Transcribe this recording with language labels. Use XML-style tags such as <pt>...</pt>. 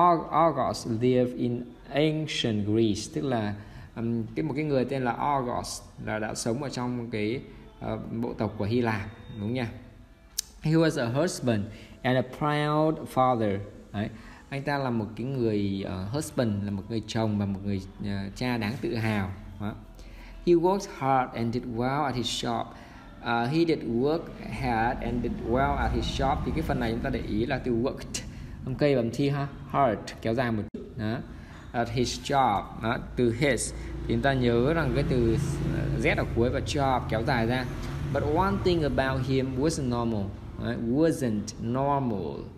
<en>Argos lived in ancient Greece,</en> <vi>tức là một cái người tên là Argos là đã sống ở trong cái bộ tộc của Hy Lạp, đúng nha.</vi> <en>He was a husband and a proud father.</en> <vi>Đấy. Anh ta là một cái người husband, là một người chồng và một người cha đáng tự hào. Đó.</vi> <en>He worked hard and did well at his shop. He did work hard and did well at his shop.</en> <vi>Thì cái phần này chúng ta để ý là từ worked, âm cây và âm thi ha, hard kéo dài một chút đó.</vi> <en>At his job</en> <vi>đó. Từ his thì chúng ta nhớ rằng cái từ z ở cuối và job kéo dài ra.</vi> <en>But one thing about him wasn't normal, wasn't normal.</en>